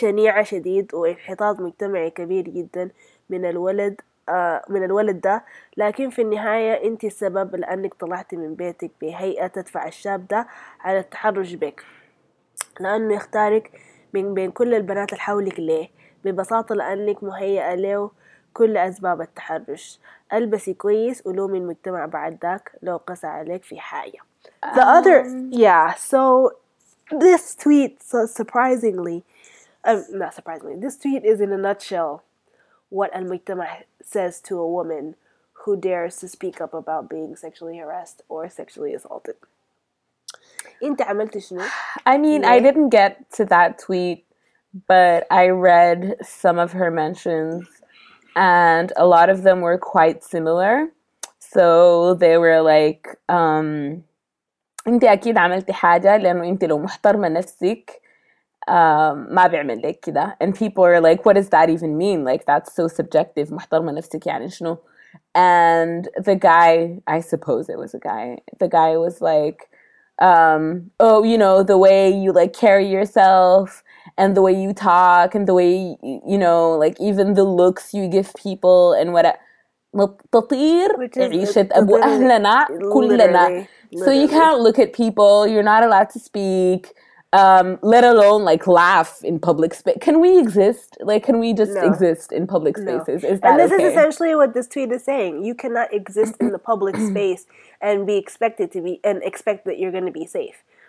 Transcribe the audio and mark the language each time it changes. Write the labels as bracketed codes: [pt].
[ar] شنيعة شديد وانحطاط مجتمعي كبير جدا من الولد ده، لكن في النهاية أنت السبب لأنك طلعت من بيتك بهيئة تدفع الشاب ده على التحرش بك، لأنه يختارك من بين كل البنات اللي حولك. ليه؟ ببساطة لأنك مهيئة له كل أسباب التحرش. ألبسي كويس ولومي المجتمع بعد ذاك لو قسى عليك في حاجة. [en] The other yeah so this tweet so surprisingly not surprisingly this tweet is in a nutshell what المجتمع says to a woman who dares to speak up about being sexually harassed or sexually assaulted. [ar] انت عملت شنو؟ [en] I mean, I didn't get to that tweet, but I read some of her mentions, and a lot of them were quite similar. So they were like, [ar] انت اكيد عملتي حاجه لانه انت لو محترمه نفسك ما بيعمل لك كده. [en] And people are like, what does that even mean? Like, that's so subjective. [ar] محترمه نفسك يعني شنو؟ [en] And the guy, I suppose it was a guy, the guy was like, oh, you know, the way you like carry yourself and the way you talk and the way, you know, like even the looks you give people and what. [ar] تطير عيشة أبو أهلنا كلنا. [en] So you can't look at people, you're not allowed to speak, let alone like laugh in public space. Can we exist? Like, can we just exist in public spaces? Is that And this okay? is essentially what this tweet is saying. You cannot exist in the public space and be expected to be and expect that you're going to be safe.